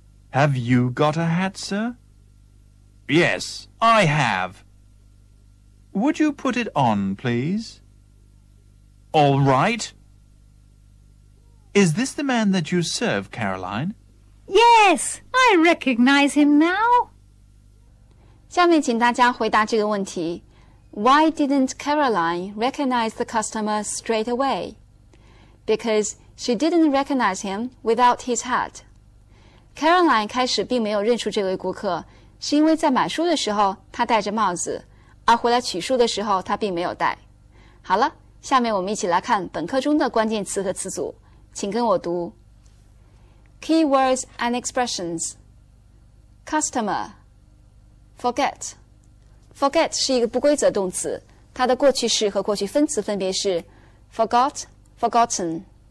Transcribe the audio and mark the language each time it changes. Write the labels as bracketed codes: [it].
[en] Have you got a hat, sir? Yes, I have. Would you put it on, please? All right. Is this the man that you serve, Caroline? Yes, I recognize him now. [zh] 下面请大家回答这个问题。 [en] Why didn't Caroline recognize the customer straight away? Because she didn't recognize him without his hat. [zh] Caroline 开始并没有认出这位顾客，是因为在买书的时候他戴着帽子，而回来取书的时候他并没有戴。好了，下面我们一起来看本课中的关键词和词组。请跟我读 [en] Keywords and expressions [zh] Customer Forget Forget 是一个不规则动词它的过去式和过去分词分别是 Forgot Forgotten